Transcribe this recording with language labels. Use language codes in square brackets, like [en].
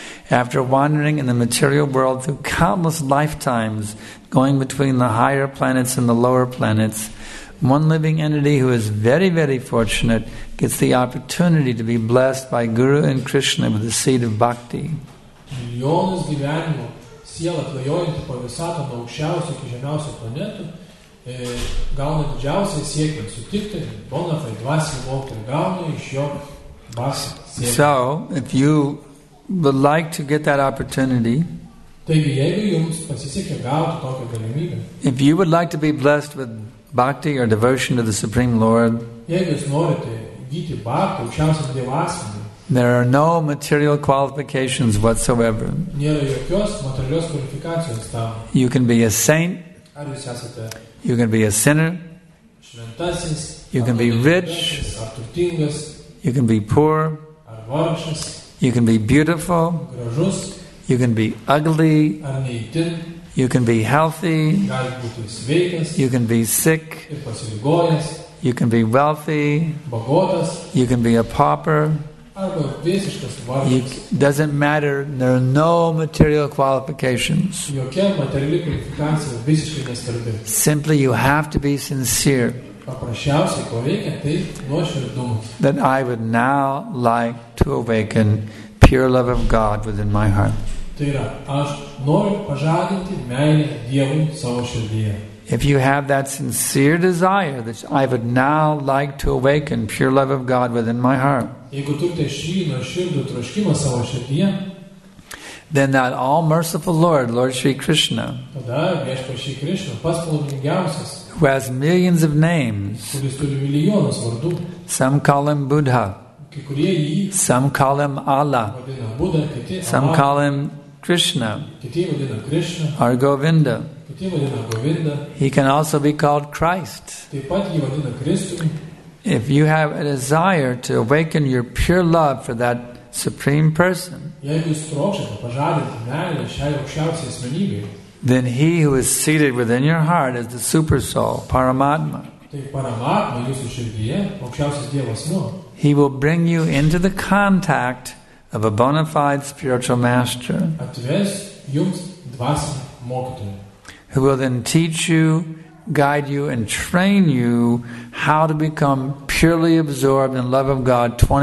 [en] After wandering in the material world through countless lifetimes, going between the higher planets and the lower planets, one living entity who is very, very fortunate gets the opportunity to be blessed by Guru and Krishna with the seed of bhakti. [lt] Milijonas gyvenimo, siela klajojanti po visatą nuo aukščiausio iki žemiausio planetų, gauna didžiausią siekį sutikti bona fai dvasinį mokytį ir gauna iš jo dvasinį siekį. [en] So, if you would like to get that opportunity, [lt] taigi, jeigu jums pasisekė gauti tokią galimybę, [en] if you would like to be blessed with bhakti or devotion to the Supreme Lord, [lt] jeigu jūs norite įgyti bhakti, aukščiausią dievo asmenį, [en] there are no material qualifications whatsoever. [lt] Nėra jokios materialios kvalifikacijos tam. [en] You can be a saint, [lt] ar jūs esate, [en] you can be a sinner, [lt] šventasis, [en] you can be rich, [lt] ar turtingas, [en] you can be poor, [lt] ar vargšas, [en] you can be beautiful, [lt] gražus, [en] you can be ugly, [lt] ar ne itin, [en] you can be healthy, [lt] gali būti sveikas, [en] you can be sick, [lt] ir pasiligojęs, [en] you can be wealthy, [lt] bagotas, [en] you can be a pauper, [lt] arba visiškas vargšas. It [en] doesn't matter, there are no material qualifications. [lt] Jokia materiali kvalifikacija visiškai nesvarbi. [en] Simply you have to be sincere. [lt] Paprasčiausiai, ko reikia, tai nuoširdumas. [en] That I would now like to awaken pure love of God within my heart. [lt] Tai yra, aš noriu pažadinti meilę Dievui savo širdyje. [en] If you have that sincere desire that I would now like to awaken pure love of God within my heart, [lt] jeigu turite šį nuoširdų troškimą savo širdyje, [en] then that all-merciful Lord, Lord Shri Krishna, [lt] tada Viešpats Shri Krishna, pats palaimingiausias, [en] who has millions of names, [lt] kuris turi milijonus vardų, [en] some call him Buddha, [lt] kai kurie jį, [en] some call him Allah, [lt] vadina Buddha, kiti Allah, [en] some call him Krishna, [lt] kiti vadina Krishna, [en] or Govinda. [lt] Govinda. [en] He can also be called Christ. [lt] Taip pat jį vadina Kristumi. [en] If you have a desire to awaken your pure love for that Supreme Person, [lt] jeigu jūs trokštate pažadinti meilę šiai aukščiausiai asmenybei, [en] then he who is seated within your heart is the super soul, Paramatma. [lt] Tai Paramatma jūsų širdyje, aukščiausias Dievo asmuo. [en] He will bring you into the contact of a bona fide spiritual master. [lt] Atves jums dvasinį mokytoją, [en] who will then teach you, guide you, and train you how to become purely absorbed in love of God